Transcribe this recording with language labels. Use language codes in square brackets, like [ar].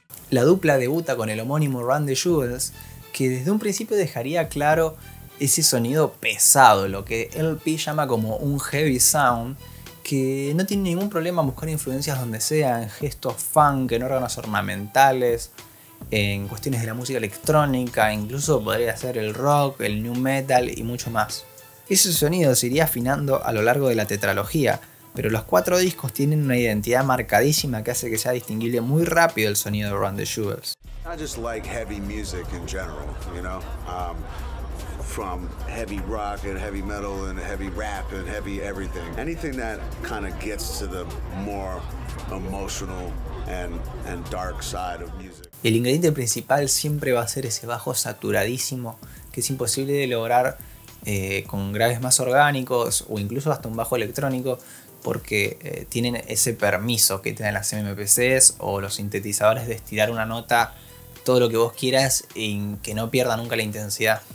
[es] La dupla debuta con el homónimo Run the Jewels, que desde un principio dejaría claro ese sonido pesado, lo que LP llama como un heavy sound, que no tiene ningún problema buscar influencias donde sea, en gestos funk, en órganos ornamentales, en cuestiones de la música electrónica, incluso podría ser el rock, el new metal y mucho más. Ese sonido se iría afinando a lo largo de la tetralogía, pero los cuatro discos tienen una identidad marcadísima que hace que sea distinguible muy rápido el sonido de Run the Jewels. [en] I just like heavy music in general, you know? From heavy rock and heavy metal and heavy rap and heavy everything. Anything that kind of gets to the more emotional and dark side of music. [es] El ingrediente principal siempre va a ser ese bajo saturadísimo que es imposible de lograr con graves más orgánicos o incluso hasta un bajo electrónico porque tienen ese permiso que tienen las MPCs o los sintetizadores de estirar una nota todo lo que vos quieras y que no pierda nunca la intensidad.